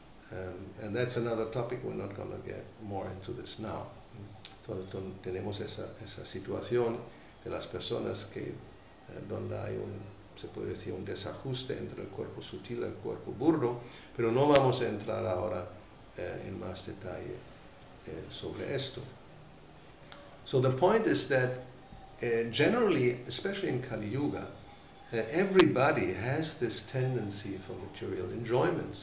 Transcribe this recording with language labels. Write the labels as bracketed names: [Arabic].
[English] And that's another topic. We're not going to get more into this now. [Spanish] Entonces tenemos esa situación de las personas que donde hay un, se puede decir, un desajuste entre el cuerpo sutil y el cuerpo burdo, pero no vamos a entrar ahora en más detalle sobre esto. [English] So the point is that generally, especially in Kali Yuga, everybody has this tendency for material enjoyment.